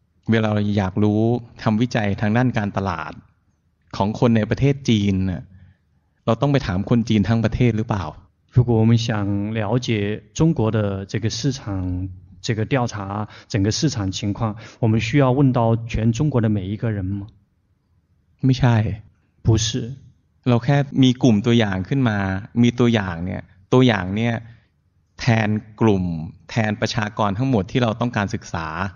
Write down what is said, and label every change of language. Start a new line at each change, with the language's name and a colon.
Thai: เวลาอยากรู้ทำวิจัยทางด้านการตลาดของคนในประเทศจีนเราต้องไปถามคนจีนทั้งประเทศหรือเปล่า
Chinese: 如果我们想了解中国的这个市场这个调查整个市场情况我们需要问到全中国的每一个人吗
Thai: ไม่ใช่
Chinese: 不是
Thai: เราแค่มีกลุ่มตัวอย่างขึ้นมามีตัวอย่างเนี่ยตัวอย่างเนี่ยแทนกลุ่มแทนประชากรทั้งหมดที่เราต้องการศึกษา